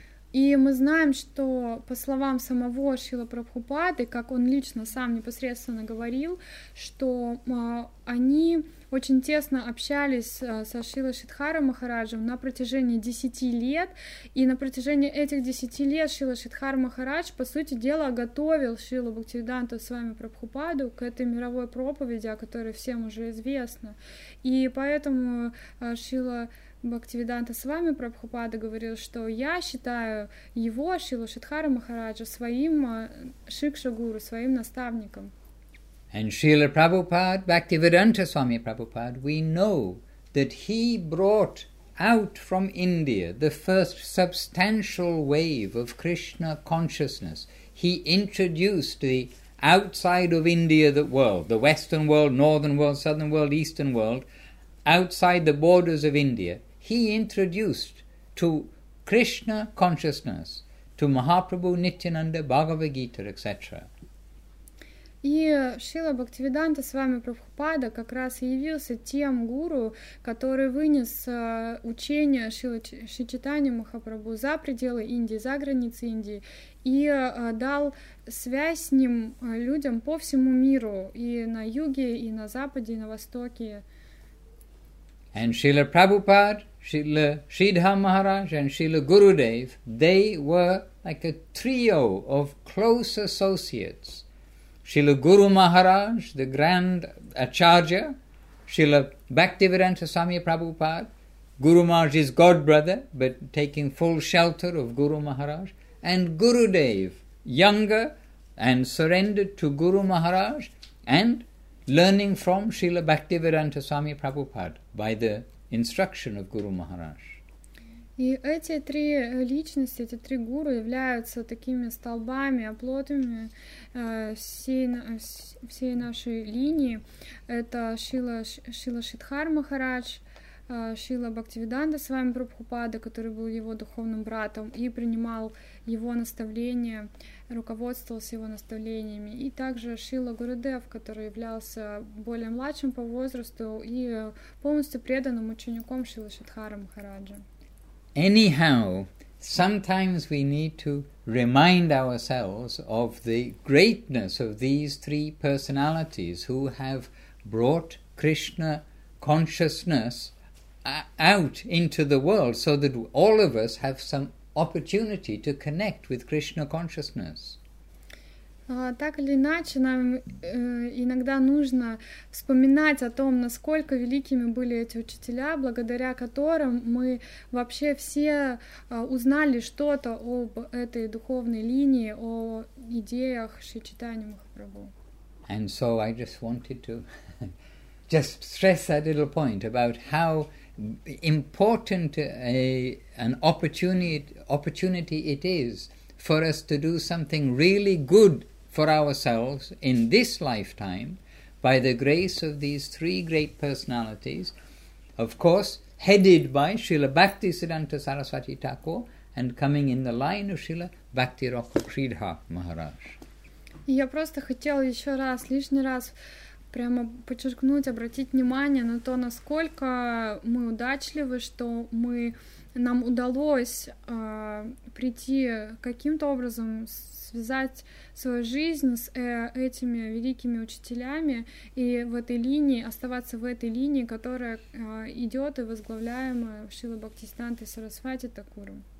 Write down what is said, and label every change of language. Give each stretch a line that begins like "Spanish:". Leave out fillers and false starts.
Russian: И мы знаем, что по словам самого Шрилы Прабхупады, как он лично сам непосредственно говорил, что они очень тесно общались со Шрилой Шридхаром Махараджем на протяжении 10 лет, и на протяжении этих 10 лет Шрила Шридхар Махарадж, по сути дела, готовил Шрилу Бхактивиданту Свами Прабхупаду к этой мировой проповеди, о которой всем уже известно. И поэтому Шрила Бхактивиданта Свами Прабхупада говорил, что я считаю его, Шрилу Шридхара Махараджа, своим шикша-гуру, своим наставником.
English: And Srila Prabhupada, Bhaktivedanta Swami Prabhupada, we know that he brought out from India the first substantial wave of Krishna consciousness. He introduced the outside of India, the world, the Western world, Northern world, Southern world, Eastern world, outside the borders of India. He introduced to Krishna consciousness, to Mahaprabhu, Nityananda, Bhagavad Gita, etc.
Russian: И Шрила Бхактивиданта Свами Прабхупада как раз и явился тем гуру, который вынес учение Шрилы Шичитани Махапрабху за пределы Индии, за границы Индии, и дал связь с ним людям по всему миру, и на юге, и на западе, и на востоке.
English: And Srila Prabhupada, Srila Sridhar Maharaj, and Srila Gurudev, they were like a trio of close associates. Srila Guru Maharaj, the grand acharya, Srila Bhaktivedanta Swami Prabhupada, Guru Maharaj's godbrother, but taking full shelter of Guru Maharaj, and Gurudev, younger and surrendered to Guru Maharaj, and learning from Srila Bhaktivedanta Swami Prabhupada by the instruction of Guru Maharaj.
Russian: И эти три личности, эти три гуру являются такими столбами, оплотами всей нашей линии. Это Шрила Шридхар Махарадж, Шрила Бхактивиданта Свами Прабхупада, который был его духовным братом и принимал его наставления, руководствовался его наставлениями, и также Шрила Гурудев, который являлся более младшим по возрасту и полностью преданным учеником Шрилы Шридхары Махараджа.
English: Anyhow, sometimes we need to remind ourselves of the greatness of these three personalities who have brought Krishna consciousness out into the world so that all of us have some opportunity to connect with Krishna consciousness.
Russian: Так или иначе, нам иногда нужно вспоминать о том, насколько великими были эти учителя, благодаря которым мы вообще все узнали что-то об этой духовной линии, о идеях Шри Чайтаньи Махапрабху.
English: And so I just wanted to just stress that little point about how important an opportunity it is for us to do something really good for ourselves in this lifetime by the grace of these three great personalities, of course headed by Srila Bhakti Siddhanta Saraswati Thakur and coming in the line of Srila Bhakti Rok Sridhar Maharaj.
Russian: Я просто хотел еще раз, лишний раз прямо подчеркнуть, обратить внимание на то, насколько мы удачливы, что мы нам удалось прийти каким-то образом связать свою жизнь с этими великими учителями и в этой линии, оставаться в этой линии, которая идет и возглавляемая Шрила Бхактисиддханта Сарасвати Такуром.